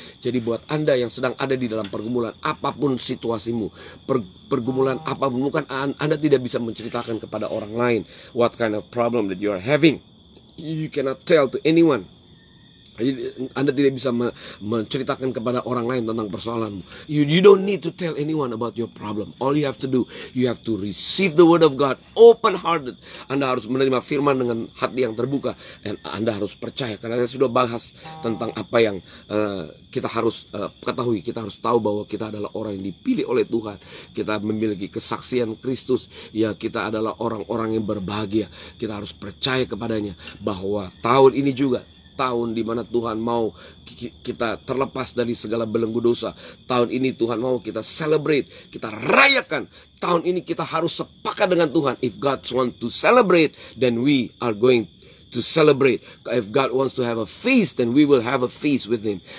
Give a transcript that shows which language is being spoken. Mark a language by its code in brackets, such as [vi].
[id] Jadi buat Anda yang sedang ada di dalam pergumulan, apapun situasimu, pergumulan apapun, bukan Anda tidak bisa menceritakan kepada orang lain [en] what kind of problem that you are having. You cannot tell to anyone. [id] Anda tidak bisa menceritakan kepada orang lain tentang persoalanmu. [en] You don't need to tell anyone about your problem. All you have to do, you have to receive the word of God open hearted. [id] Anda harus menerima firman dengan hati yang terbuka. And Anda harus percaya. Karena saya sudah bahas tentang apa yang kita harus ketahui. Kita harus tahu bahwa kita adalah orang yang dipilih oleh Tuhan. Kita memiliki kesaksian Kristus. Ya, kita adalah orang-orang yang berbahagia. Kita harus percaya kepadanya bahwa tahun ini juga tahun di mana Tuhan mau kita terlepas dari segala belenggu dosa. Tahun ini Tuhan mau kita celebrate, kita rayakan. Tahun ini kita harus sepakat dengan Tuhan. [en] If God wants to celebrate, then we are going to celebrate. If God wants to have a feast, then we will have a feast with Him.